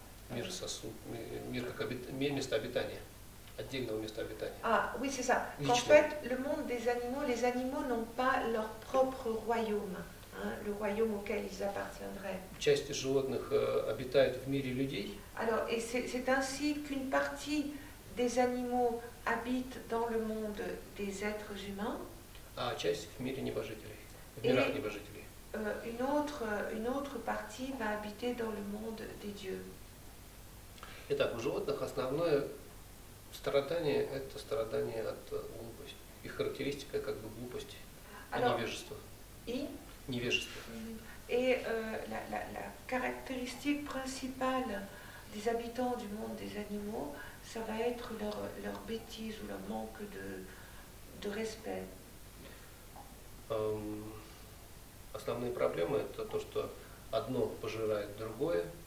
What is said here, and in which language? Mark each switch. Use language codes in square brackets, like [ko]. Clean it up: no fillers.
[ru] мир сосуд, мир как место обитания, отдельного места обитания. [fr] Ah, oui, c'est ça. [ru] Личное. [fr] En fait, le monde des animaux, les animaux n'ont pas leur propre royaume, hein, le royaume auquel ils appartiendraient. [ru] Часть животных обитают в мире людей. [fr] Alors, et c'est ainsi qu'une partie des animaux habite dans le monde des êtres humains. [ru] А часть в мире небожителей, в мирах небожителей. [fr] Une autre partie va habiter dans le monde des dieux. [ru] Итак, у животных основное страдание – это страдание от глупости. Их характеристика как бы глупости, невежества. И? Невежества. И [fr] la caractéristique principale des habitants du monde des animaux, ça va être leur bêtise ou leur manque de respect. [ru] Основные проблемы – это то, что одно пожирает другое.